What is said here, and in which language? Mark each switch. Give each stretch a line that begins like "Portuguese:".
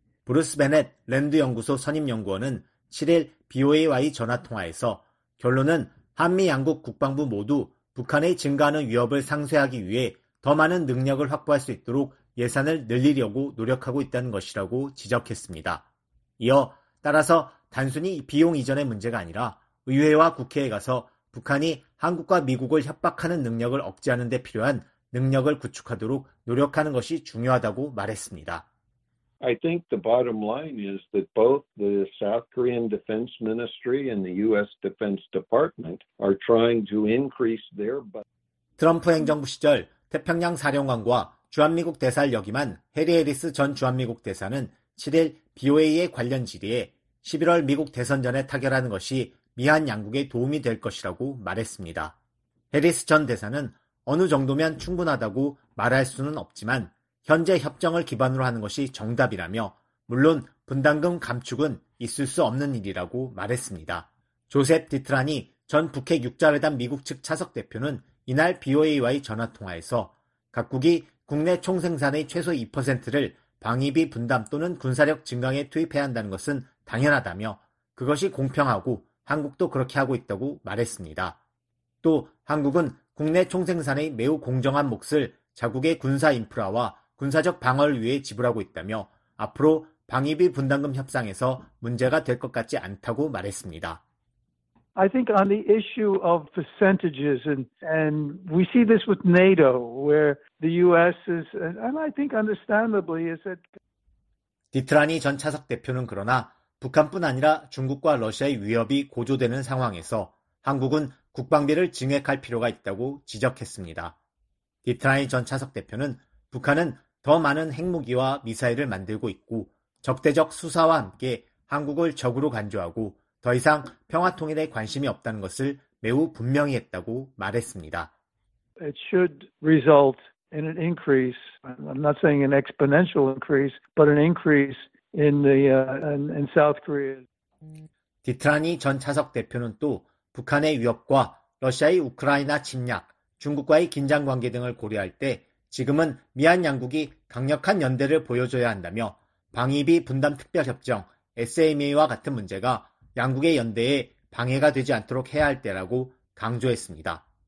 Korean: 브루스 베넷 랜드연구소 선임연구원은 7일 BOA와의 전화통화에서 결론은 한미 양국 국방부 모두 북한의 증가하는 위협을 상쇄하기 위해 더 많은 능력을 확보할 수 있도록 예산을 늘리려고 노력하고 있다는 것이라고 지적했습니다. 이어 따라서 단순히 비용 이전의 문제가 아니라 의회와 국회에 가서 북한이 한국과 미국을 협박하는 능력을 억제하는 데 필요한 능력을 구축하도록 노력하는 것이 중요하다고 말했습니다.
English: I think the bottom line is that both the South Korean Defense Ministry and the U.S. Defense Department are trying to increase their budget.
Korean: 트럼프 행정부 시절 태평양 사령관과 주한미국 대사를 역임한 해리 해리스 전 주한미국 대사는 7일 BOA의 관련 질의에 11월 미국 대선 전에 타결하는 것이 미한 양국에 도움이 될 것이라고 말했습니다. 해리스 전 대사는 어느 정도면 충분하다고 말할 수는 없지만 현재 협정을 기반으로 하는 것이 정답이라며 물론 분담금 감축은 있을 수 없는 일이라고 말했습니다. 조셉 디트라니 전 북핵 6자회담 미국 측 차석 대표는 이날 BOA와의 전화통화에서 각국이 국내 총생산의 최소 2%를 방위비 분담 또는 군사력 증강에 투입해야 한다는 것은 당연하다며 그것이 공평하고 한국도 그렇게 하고 있다고 말했습니다. 또 한국은 국내 총생산의 매우 공정한 몫을 자국의 군사 인프라와 군사적 방어를 위해 지불하고 있다며 앞으로 방위비 분담금 협상에서 문제가 될 것 같지 않다고 말했습니다.
English: I think on the issue of percentages and we see this with NATO where the US is and I think understandably is it
Korean: 디트라니 전 차석 대표는 그러나 북한뿐 아니라 중국과 러시아의 위협이 고조되는 상황에서 한국은 국방비를 증액할 필요가 있다고 지적했습니다. 디트라니 전 차석 대표는 북한은 더 많은 핵무기와 미사일을 만들고 있고 적대적 수사와 함께 한국을 적으로 간주하고 더 이상 평화통일에 관심이 없다는 것을 매우 분명히 했다고 말했습니다.
English: It should result in an increase. I'm not saying an exponential increase, but an increase in South Korea.
Korean: 디트라니 전 차석 대표는 또 북한의 위협과 러시아의 우크라이나 침략, 중국과의 긴장 관계 등을 고려할 때 지금은 미한 양국이 강력한 연대를 보여줘야 한다며 방위비 분담 특별협정 SMA와 같은 문제가 양국의 연대에 방해가 되지 않도록 해야 할 때라고 강조했습니다.